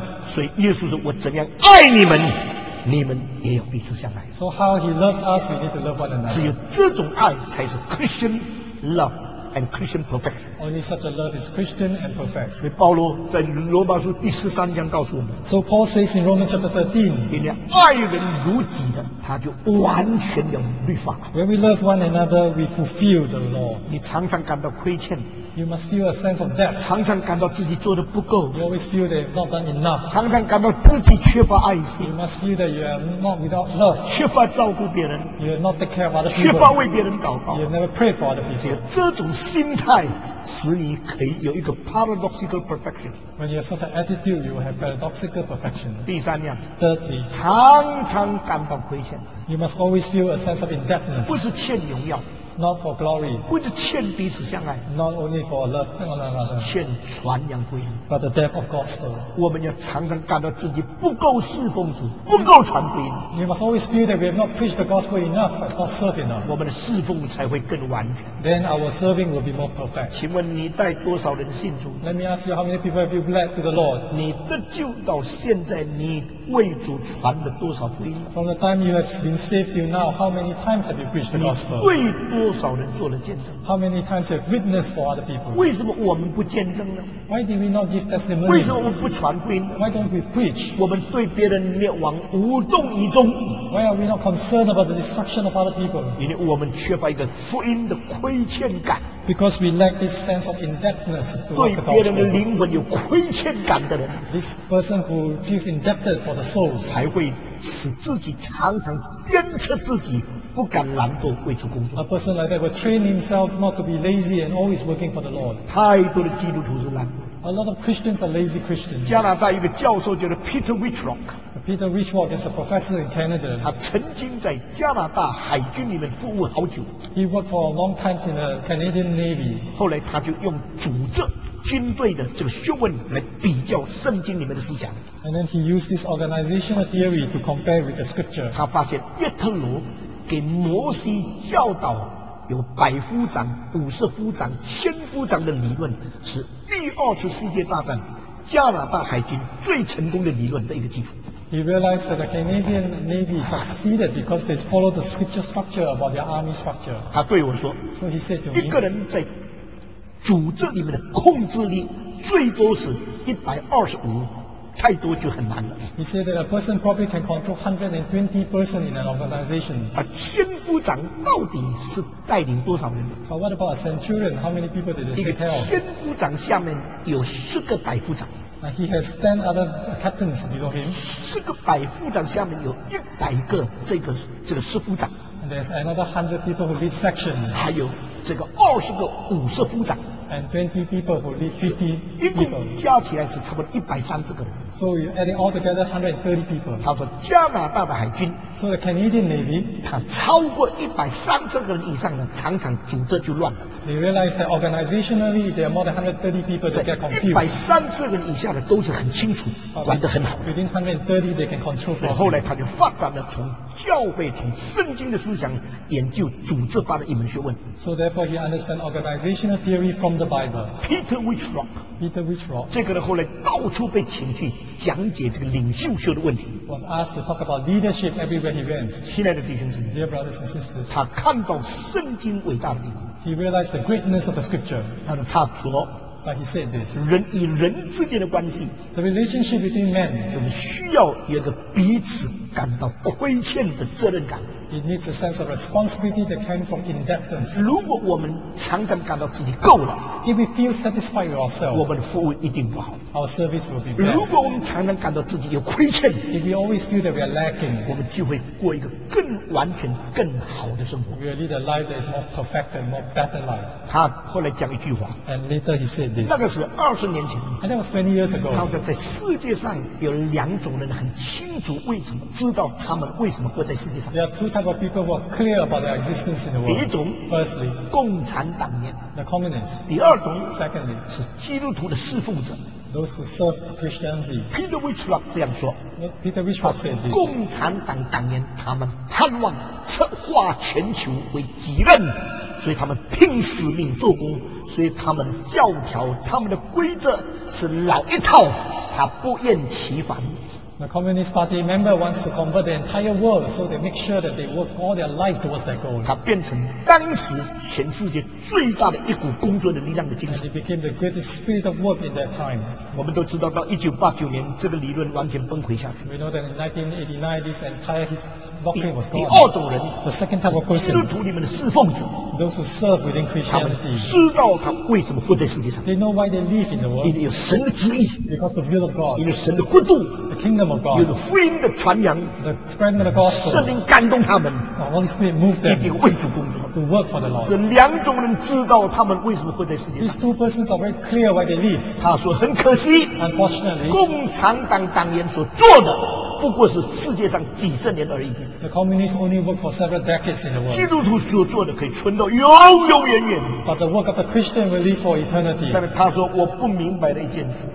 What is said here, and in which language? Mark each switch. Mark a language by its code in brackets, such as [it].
[zh] 所以耶稣说：“我怎样爱你们，你们也要彼此相爱。” [en] So how He loves us, we need to love one another. [zh] 只有这种爱才是 [en] Christian love and Christian perfect. Only such a love is Christian and perfect. [zh] 所以保罗在罗马书第十三章告诉我们。 [en] So Paul says in Romans chapter 13, [zh] 因为爱人如己的，他就完全了律法。 [en] When we love one another, we fulfill the law. [zh] 你常常感到亏欠。 [en] You must feel a sense of debt. [zh] 常常感到自己做得不够。 [en] You always feel that you've not done enough. [zh] 常常感到自己缺乏爱心。 [en] You must feel that you are not without love. [zh] 缺乏照顾别人。 [en] You have not take care of other people. [zh] 缺乏为别人祷告。 [en] You never pray for other people. [zh] 这种心态使你可以有一个 [en] paradoxical perfection. When you have such an attitude, you will have paradoxical perfection. [zh] 第三样。 [en] Thirdly. [zh] 常常感到亏欠。 [en] You must always feel a sense of indebtedness. [zh] 不是欠荣耀。 [en] Not for glory. [zh] 不是欠彼此相爱。 [en] Not only for love one another. [zh] 欠传扬福音。 [en] But the depth of gospel. [zh] 我们要常常感到自己不够侍奉主，不够传福音。 [en] You must always feel that we have not preached the gospel enough, not served enough. [zh] 我们的侍奉才会更完全。 [en] Then our serving will be more perfect. [zh] 请问你带多少人信主？ [en] Let me ask you, how many people have you led to the Lord? [zh] 你得救到现在，你为主传了多少福音？ [en] From the time you have been saved till now, how many times have you preached the gospel? [zh] 你为多多少人做了见证？ [en] How many times have witnessed for other people? [zh] 为什么我们不见证呢？ [en] Why did we not give testimony? [zh] 为什么我们不传福音？ [en] Why don't we preach? [zh] 我们对别人灭亡无动于衷。 [en] Why are we not concerned about the destruction of other people? [zh] 因为我们缺乏一个福音的亏欠感。 [en] Because we lack this sense of indebtedness to the gospel. [zh] 对别人的灵魂有亏欠感的人， [en] this person who feels indebted for the soul [zh] 才会使自己常常鞭策自己，不敢懒惰为主工作。 [en] A person like that will train himself not to be lazy and always working for the Lord. [zh] 太多的基督徒是懒惰。 [en] A lot of Christians are lazy Christians. [zh] 加拿大一个教授叫做 Peter Whitlock. [en] Peter Whitlock is a professor in Canada. [zh] 他曾经在加拿大海军里面服务好久。 [en] He worked for a long time in the Canadian Navy. [zh] 后来他就用组织军队的这个学问来比较圣经里面的思想。 [en] And then he used this organizational theory to compare with the scripture. [zh] 他发现约特罗给摩西教导有百夫长、五十夫长、千夫长的理论，是第二次世界大战加拿大海军最成功的理论的一个基础。 [en] He realized that the Canadian Navy succeeded because they followed the scripture structure about their army structure. [zh] 他对我说， [en] so he said to me, [zh] 一个人在组织里面的控制力最多是125。太多就很难了。 [en] He said that a person probably can control 120 person in an organization. [zh] 啊，千夫长到底是带领多少人？ [en] But what about a centurion? How many people did he take care of? [zh] 千夫长下面有十个百夫长。 [en] He has 10 other captains below him. [zh] 十个百夫长下面有100个这个师夫长。 [en] And there's another 100 people who lead sections. [zh] 还有这个20个五十夫长。 [en] And 20 people who lead 50 people. [zh] 一共加起来是差不多130个人。 [en] So you add it all together, 130 people. [zh] 他说加拿大的海军。 [en] So the Canadian Navy. [zh] 他超过130个人以上的，常常组织就乱了。 [en] They realize that organizationally there are more than 130 people that get confused. [zh] 130个人以下的都是很清楚，管得很好。 [en] Within 130, they can control. [zh] 所以后来他就发展了从教会、从圣经的思想研究组织化的一门学问。 [en] So therefore, he understands organizational theory from the Bible. Peter Whitlock. [zh] 这个人后来到处被请去讲解这个领袖学的问题。 [en] Was asked to talk about leadership everywhere he went. [zh] 亲爱的弟兄姊妹， [en] dear brothers and sisters, [zh] 他看到圣经伟大的地方。 [en] He realized the greatness of the scripture. [zh] 他说他说， [en] But he said this. [zh] 人与人之间的关系， [en] The relationship between men. [zh] 怎么需要有一个彼此感到亏欠的责任感。 [en] It needs a sense of responsibility that came from indebtedness. [zh] 如果我们常常感到自己够了 [en] ，If we feel satisfied with ourselves， [zh] 我们的服务一定不好。 [en] Our service will be bad。 [zh] 如果我们常常感到自己有亏欠 [en] ，If we always feel that we are lacking， [zh] 我们就会过一个更完全、更好的生活。 [en] We lead a life that is more perfect and more better life。 [zh] 他后来讲一句话 [en] ，And later he said this。 [zh] 那个是二十年前 [en] ，And that was 20 years ago。 [zh] 他说在世界上有两种人很清楚为什么知道他们为什么活在世界上。 [en] There are two types of people who are clear about their existence in the world。 [zh] 第一种 [en] ，Firstly， [zh] 共产党员 [en] ，The communists。 [zh] 第二种 [en] ，Secondly， [zh] 是基督徒的侍奉者。 [en] Those who serve Christianity. [zh] Peter Whitlock 这样说。 [en] Peter Whitlock said this. [zh] 共产党党员他们盼望策划全球为己任，所以他们拼死命做工，所以他们教条、他们的规则是老一套，他不厌其烦。 [en] The Communist Party member wants to convert the entire world, so they make sure that they work all their life towards that goal. [zh] 他变成当时全世界最大的一股工作的力量的精神。 [en] And he became the greatest spirit of work in that time. [zh] 我们都知道，到1989年，这个理论完全崩溃下去。 [en] We know that in 1989, this entire his doctrine was gone. [zh] 第二种人 [en] ，the second type of person, [zh] 基督徒里面的侍奉者 [en] ，those who serve within Christianity. [zh] 他们知道他为什么活在世界上。 [en] They know why they live in the world. [zh] 因为有神的旨意 [en] ，because the will of God. [zh] 因为神的国度 [en] ，the kingdom. [zh] 有福音的传扬，圣灵感动他们，一定为主工作。 [en] To work for the Lord. [zh] 这两种人知道他们为什么会在世界上。 [en] These two persons are very clear why they live. [zh] 他说很可惜 [en] ，Unfortunately， [zh] 共产党党员所做的不过是世界上几十年而已。 [en] The communists only work for several decades in the world. [zh] 基督徒所做的可以存到永永远远。 [en] But the work of a Christian will live for eternity. [zh] 但是他说我不明白的一件事。